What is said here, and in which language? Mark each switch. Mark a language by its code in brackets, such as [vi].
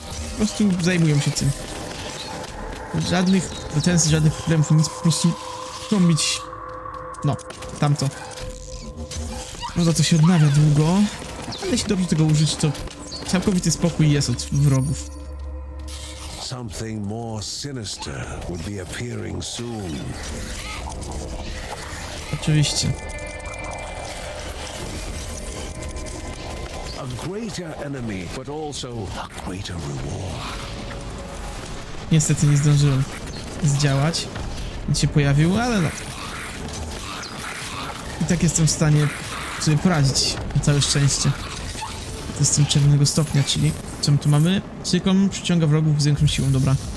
[pl] Po prostu zajmują się tym. Żadnych pretensji, żadnych problemów, nic po prostu zrobić. No, tamto. Prawda, to się odnawia długo, ale jeśli dobrze tego użyć, to całkowity spokój jest od wrogów. [en] something more sinister would be appearing soon. [pl] Oczywiście. [en] A greater enemy, but also a greater reward. [pl] Niestety nie zdążyłem zdziałać. Nic się pojawił, ale i tak jestem w stanie sobie poradzić, na całe szczęście. Jestem czerwonego stopnia, czyli co my tu mamy? Cyklon przyciąga wrogów z większą siłą, dobra.